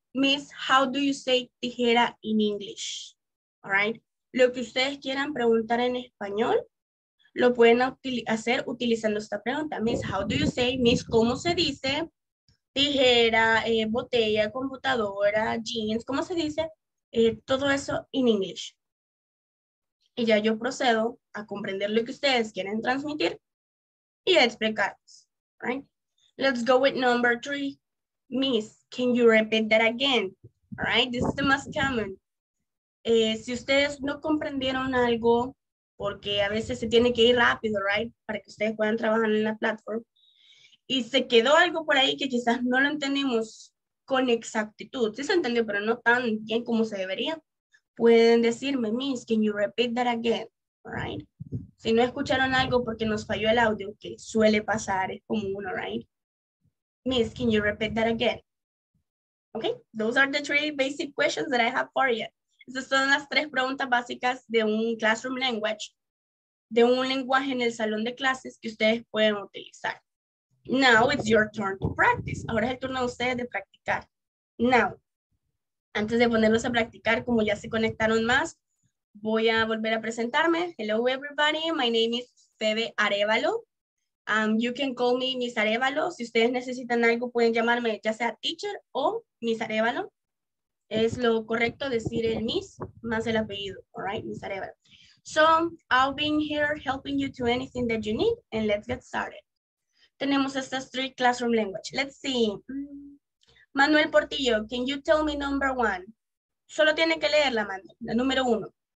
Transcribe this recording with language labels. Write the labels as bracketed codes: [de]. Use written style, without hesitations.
[en] Miss, how do you say tijera in English? All right. [es] Lo que ustedes quieran preguntar en español, lo pueden hacer utilizando esta pregunta. Miss, [en] how do you say, [es] Miss, ¿cómo se dice? Tijera, botella, computadora, jeans, ¿cómo se dice? Todo eso [en] in English. [es] Y ya yo procedo a comprender lo que ustedes quieren transmitir y a explicarles, right? [en] Let's go with number three. Miss, can you repeat that again? All right, this is the most common. [es] Si ustedes no comprendieron algo, porque a veces se tiene que ir rápido, right? Para que ustedes puedan trabajar en la plataforma. Y se quedó algo por ahí que quizás no lo entendimos con exactitud. Sí se entendió, pero no tan bien como se debería. Pueden decirme, [en] Miss, can you repeat that again? All right. [es] Si no escucharon algo porque nos falló el audio, que suele pasar, es común, all right? [en] Miss, can you repeat that again? Okay, those are the three basic questions that I have for you. [es] Esas son las tres preguntas básicas de un classroom language, de un lenguaje en el salón de clases que ustedes pueden utilizar. [en] Now it's your turn to practice. [es] Ahora es el turno de ustedes de practicar. Now, antes de ponerlos a practicar, como ya se conectaron más, voy a volver a presentarme. [en] Hello, everybody. My name is Febe Arevalo. You can call me Miss Arevalo. [es] Si ustedes necesitan algo, pueden llamarme ya sea teacher o Miss Arevalo. Es lo correcto decir el Miss más el apellido. [en] All right, Miss Arevalo. So, I've been here helping you to anything that you need. And let's get started. [es] Tenemos estas [en] three classroom language. Let's see. Manuel Portillo, can you tell me number one? [es] Solo tiene que leerla, Manuel. La número uno.